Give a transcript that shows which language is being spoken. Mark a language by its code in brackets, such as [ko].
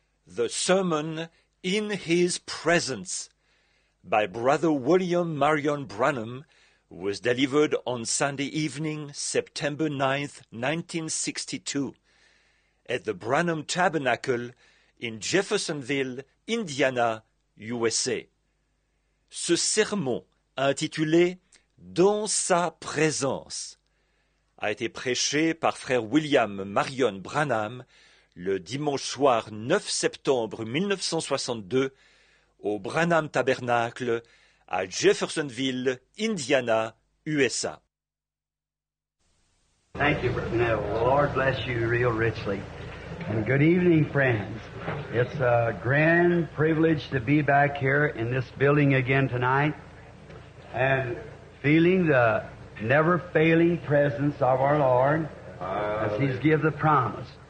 [en] The Sermon in His Presence by Brother William Marion Branham was delivered on Sunday evening, September 9, 1962, at the Branham Tabernacle in Jeffersonville, Indiana, USA. [fr] Ce sermon, intitulé « Dans sa présence », a été prêché par Frère William Marion Branham le dimanche soir 9 septembre 1962 au Branham Tabernacle à Jeffersonville, Indiana, USA. [en] Thank you, Brother Neville. The Lord bless you real richly. And good evening, friends. It's a grand privilege to be back here in this building again tonight and feeling the never-failing presence of our Lord as He's given the promise.